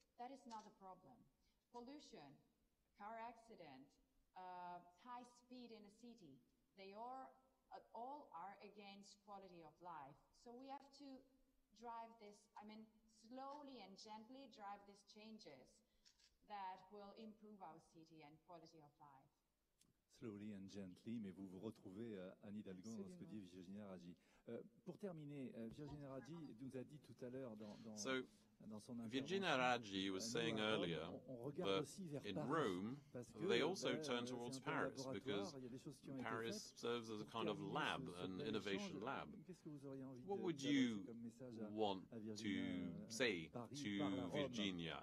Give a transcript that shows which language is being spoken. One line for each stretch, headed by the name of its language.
English: That is not a problem. Pollution, car accident, high speed in a city, they are all are against quality of life. So we have to drive this, I mean, slowly and gently drive these changes that will improve our city and quality of life. Slowly and gently,
French: mais vous vous retrouvez, Anne Hidalgo, dans ce que dit Virginia Raggi. Pour terminer, Virginia Raggi nous a dit tout à l'heure dans son interview.
English: Virginia Raggi was saying earlier that in Rome, they also turn towards Paris because Paris serves as a kind of lab, an innovation lab. What would you want to say to Virginia?